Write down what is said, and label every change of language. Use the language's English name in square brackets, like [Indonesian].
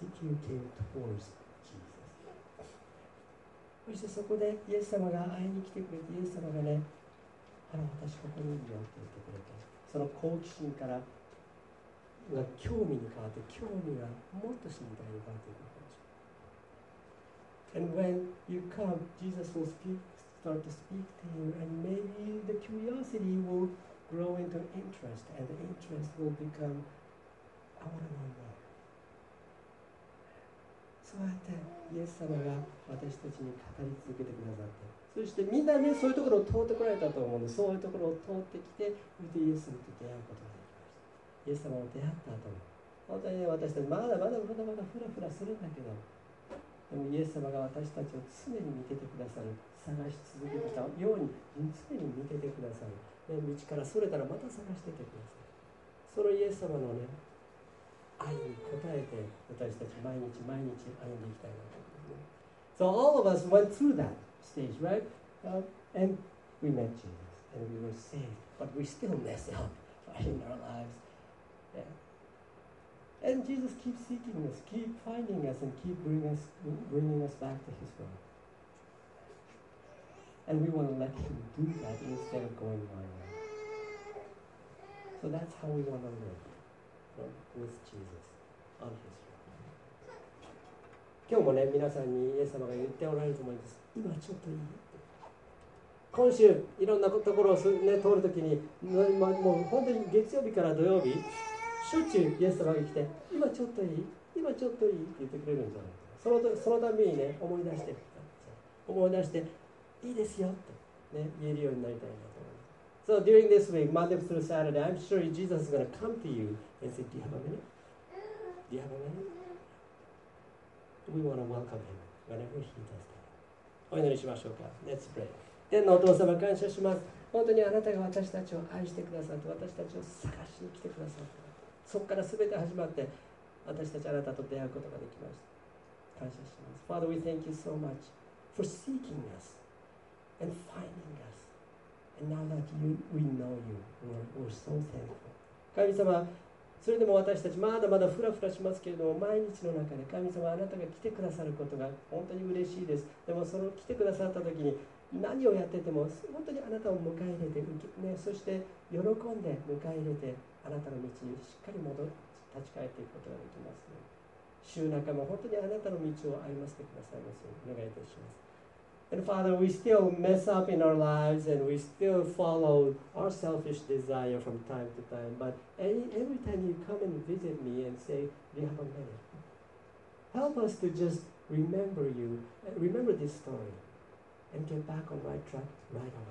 [English] You came towards Jesus. [Japanese] そしてそこでイエス様が会いに来てくれて、イエス様がね、あの私ここにいるよって言ってくれて、その好奇心からが興味に変わって、興味がもっと知りたいに変わっていくかもしれない。 [English] And when you come, Jesus will start to speak to you, and maybe the curiosity will. Grow into interest, and the interest will become, I want to know more. [Japanese] そうやってイエス様が私たちに語り続けてくださって、そしてみんなね、そういうところを通ってこられたと思うので、そういうところを通ってきて、それでイエス様と出会うことができました。イエス様を出会った後も、本当に、ね、私たちまだフラフラするんだけど、でもイエス様が私たちを常に見ててくださる、探し続けてきたように常に見ててくださる。ね、道からそれたらまた探しててください。そのイエス様のね、愛に応えて私たち毎日毎日歩んでいきたいなと思います。 [English] So all of us went through that stage, right? And we met Jesus, and we were saved, but we still messed up in our lives. Yeah. And Jesus keeps seeking us, keep finding us, and keep bringing us back to His world. And we want to let him do that instead of going my way. So that's how we want to live, right? With Jesus on his road. [Japanese] 今日もね、皆さんにイエス様が言っておられると思います。今ちょっといい。今週、いろんなところを、ね、通るときに、もう本当に月曜日から土曜日、しょっちゅうイエス様が来て、今ちょっといい、今ちょっといいって言ってくれるんじゃないかな。そのためにね、思い出して、思い出して、いいですよって、ね、言えるようになりたいなと思います。 [English] So during this week, Monday through Saturday, I'm sure Jesus is going to come to you and say, Do you have a minute? Do you have a minute? We want to welcome him whenever he does that. [Japanese] お祈りしましょうか。 [English] Let's pray. [Japanese] 天のお父様、感謝します。本当にあなたが私たちを愛してくださって、私たちを探しに来てくださって、そこから全て始まって私たちあなたと出会うことができました。感謝します。 [English] Father, we thank you so much for seeking us and finding us. And now that you, we know you, we're so thankful. [Japanese] 神様、それでも私たちまだまだフラフラしますけれども、毎日の中で神様、あなたが来てくださることが本当に嬉しいです。でもその来てくださった時に、何をやってても本当にあなたを迎え入れて、ね、そして喜んで迎え入れて、あなたの道にしっかり戻り立ち返っていくことができますね。週中も本当にあなたの道を歩ませてくださいますようにお願いいたします。 [English] And Father, we still mess up in our lives and we still follow our selfish desire from time to time, but every time you come and visit me and say we have a minute, help us to just remember you, remember this storyAnd get back on right track right away.